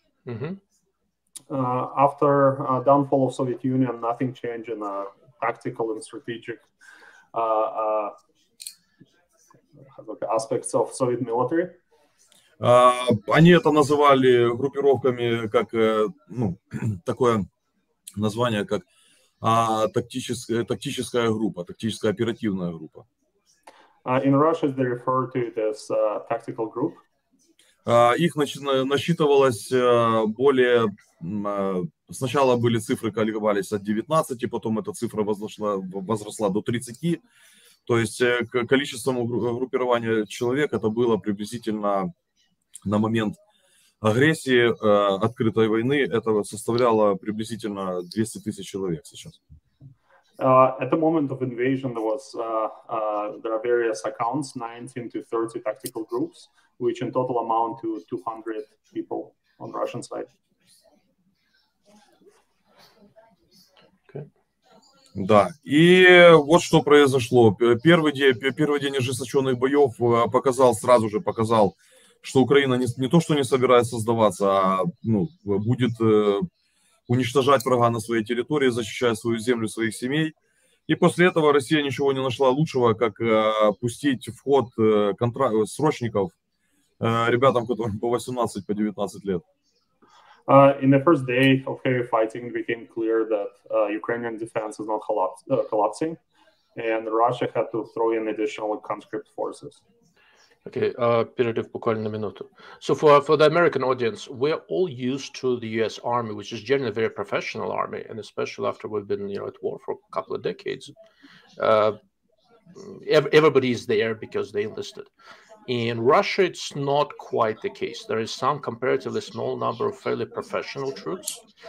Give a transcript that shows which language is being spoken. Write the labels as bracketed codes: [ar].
[en] After downfall of Soviet Union, nothing changed in tactical and strategic aspects of Soviet military. [ru] Они это называли группировками, как ну такое название, как тактическая группа, тактическая оперативная группа. [en] In Russia, they refer to it as tactical group. [ru] Их насчитывалось более, сначала были цифры колебались от 19, потом эта цифра возросла до 30, то есть количеством группирования человек это было приблизительно на момент агрессии, открытой войны, это составляло приблизительно 200 тысяч человек сейчас. [en] At the moment of invasion, there are various accounts, 19 to 30 tactical groups, which in total amount to 200 people on the Russian side. Okay. [ru] Да, и вот что произошло. Первый день ожесточенных боев показал, что Украина не то что не собирается сдаваться, а ну, будет уничтожать врага на своей территории, защищая свою землю, своих семей. И после этого Россия ничего не нашла лучшего, как пустить в ход срочников ребятам, которым по 18, по 19 лет. [en] In the first day of heavy fighting, it became clear that Ukrainian defense is not collapsing, and Russia had to throw in additional conscript forces. [ru] Okay, перерыв буквально на минуту. [en] So for the American audience, we're all used to the U.S. Army, which is generally a very professional army, and especially after we've been, you know, at war for a couple of decades, everybody is there because they enlisted. In Russia, it's not quite the case. There is some comparatively small number of fairly professional troops.